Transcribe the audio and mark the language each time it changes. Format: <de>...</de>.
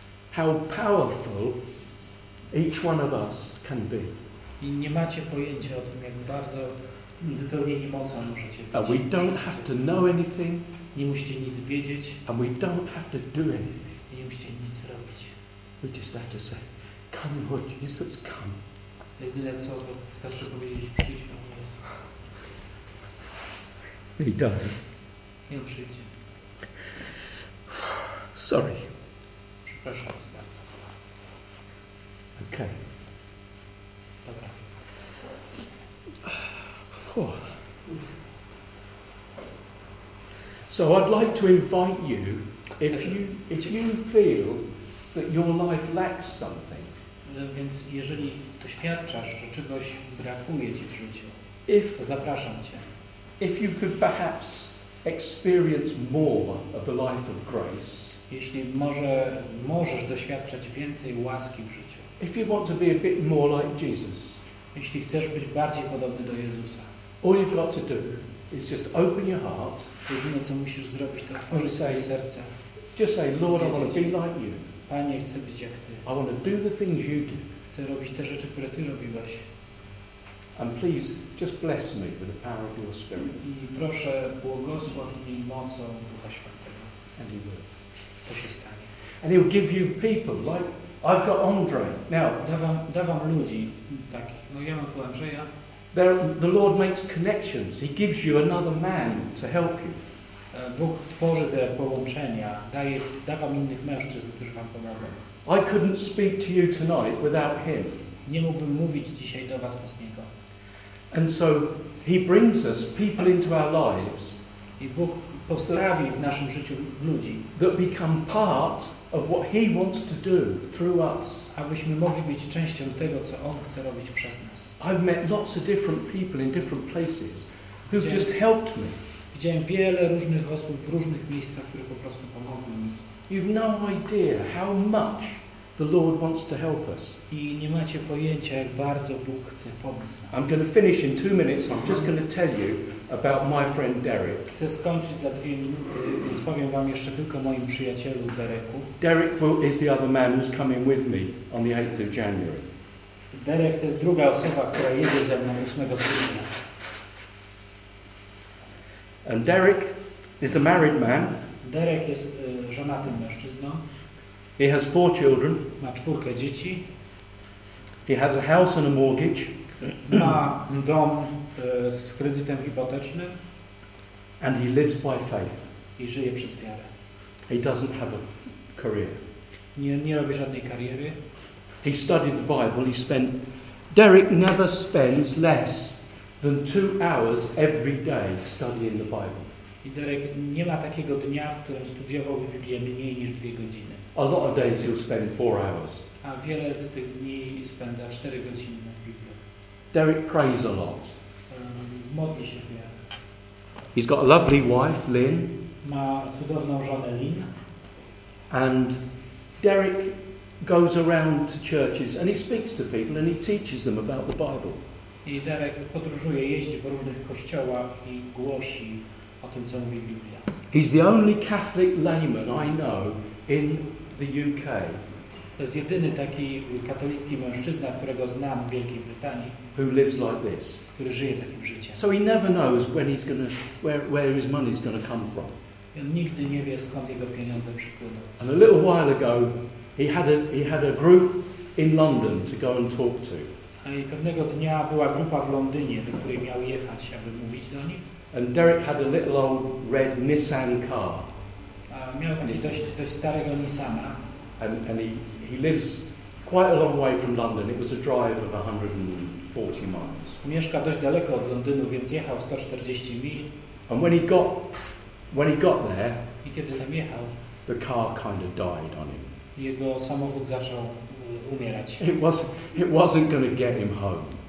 <en>How powerful each one of us can be.</en> <pl>I nie macie pojęcia o tym, jak bardzo wypełnieni mocą możecie być.</pl> <en>And we don't have to know anything.</en> <pl>Nie musicie nic wiedzieć.</pl> <en>And we don't have to do anything.</en> <pl>I nie musicie nic robić.</pl> <en>We just have to say, come Lord Jesus, come.</en> <pl>Jedyne co, to wystarczy powiedzieć, przyjdź Panu Jezu.</pl> <en>He does.</en> <pl>I on przyjdzie.</pl> <en>Sorry.</en> <pl>Proszę was bardzo.</pl> <en>Okay.</en> <pl>Dobra.</pl> <en>So I'd like to invite you, if you feel that your life lacks something.</en> <pl>No, więc jeżeli doświadczasz, że czegoś brakuje ci w życiu, zapraszam cię.</pl> <en>If you could perhaps experience more of the life of grace.</en> <pl>Jeśli może możesz doświadczać więcej łaski w życiu.</pl> <en>If you want to be a bit more like Jesus.</en> <pl>Jeśli chcesz być bardziej podobny do Jezusa.</pl> <en>All you've got to do is just open your heart.</en> <pl>Jedyne co musisz zrobić to otworzyć swoje serce.</pl> <en>Just say, Lord, I want to be like you.</en> <pl>Panie, chcę być jak Ty.</pl> <en>I want to do the things you do.</en> <pl>Chcę robić te rzeczy, które Ty robiłeś.</pl> <en>And please just bless me with the power of your spirit.</en> <pl>I proszę, błogosław mi mocą Ducha Świętego.</pl> <en>And you will.</en> <pl>To się stanie.</pl> <en>And he'll give you people like I've got Andre. Now,</en> <pl>dawam ludzi takich. No ja mam tu Andrzeja.</pl> <en>The Lord makes connections. He gives you another man to help you.</en> <pl>Bóg tworzy te połączenia. Da wam innych mężczyzn, którzy wam pomogą.</pl> <en>I couldn't speak to you tonight without him.</en> <pl>Nie mógłbym mówić dzisiaj do was bez niego.</pl> <en>And so He brings us people into our lives.</en> <pl>I Bóg postawi w naszym życiu ludzi,</pl> <en>that become part of what He wants to do through us.</en> <pl>Abyśmy mogli być częścią tego, co On chce robić przez nas.</pl> <en>I've met lots of different people in different places who've just helped me.</en> <pl>Widziałem wiele różnych osób w różnych miejscach, które po prostu pomogły mi.</pl> <en>You've no idea how much the Lord wants to help us.</en> <pl>I nie macie pojęcia, jak bardzo Bóg chce pomóc.</pl> <en>I'm going to finish in 2 minutes. I'm just going to tell you about my friend Derek.</en> <pl>Chcę skończyć za 2 minuty, więc powiem wam jeszcze tylko o moim przyjacielu Dereku.</pl> <en>Derek is the other man who's coming with me on the 8th of January.</en> <pl>Derek to jest druga osoba, która jedzie ze mną 8 stycznia.</pl> <en>And Derek is a married man.</en> <pl>Derek jest żonatym mężczyzną.</pl> <en>He has 4 children.</en> <pl>Ma 4 dzieci.</pl> <en>He has a house and a mortgage.</en> <pl>Ma dom z kredytem hipotecznym.</pl> <en>And he lives by faith.</en> <pl>I żyje przez wiarę.</pl> <en>He doesn't have a career.</en> <pl>Nie robi żadnej kariery.</pl> <en>He studied the Bible. Derek never spends less than 2 hours every day studying the Bible.</en> <pl>I Derek nie ma takiego dnia, w którym studiowałby Biblię mniej niż 2 godziny.</pl> <en>A lot of days he'll spend 4 hours.</en> <pl>A wiele z tych dni spędza 4 godziny na Biblii.</pl> <en>Derek prays a lot.</en> <pl>Modli się wiele.</pl> <en>He's got a lovely wife, Lynn.</en> <pl>Ma cudowną żonę, Lynn.</pl> <en>And Derek goes around to churches and he speaks to people and he teaches them about the Bible.</en> <pl>I Derek podróżuje, jeździ po różnych kościołach i głosi o tym, co mówi Biblia.</pl> <en>He's the only Catholic layman I know in the UK.</en> <pl>To jest jedyny taki katolicki mężczyzna, którego znam w Wielkiej Brytanii.</pl> <en>Who lives like this.</en> <pl>Który żyje takim życiem.</pl> <en>So he never knows when he's gonna, where his money's gonna come from.</en> <pl>I on nigdy nie wie, skąd jego pieniądze przypłyną.</pl> <en>And a little while ago, he had a group in London to go and talk to.</en> <pl>A i pewnego dnia była grupa w Londynie, do której miał jechać, aby mówić do nich.</pl> <en>And Derek had a little old red Nissan car.</en> <pl>A miał taki dość starego Nissana.</pl> <en>And he lives quite a long way from London. It was a drive of 140 miles.</en> <pl>Mieszka dość daleko od Londynu, więc jechał 140 mil.</pl> <en>And when he got there,</en> <pl>i kiedy tam jechał,</pl> <en>the car kind of died on him.</en> <pl>Jego samochód zaczął umierać.</pl> <en>It wasn't going to get him home.</en>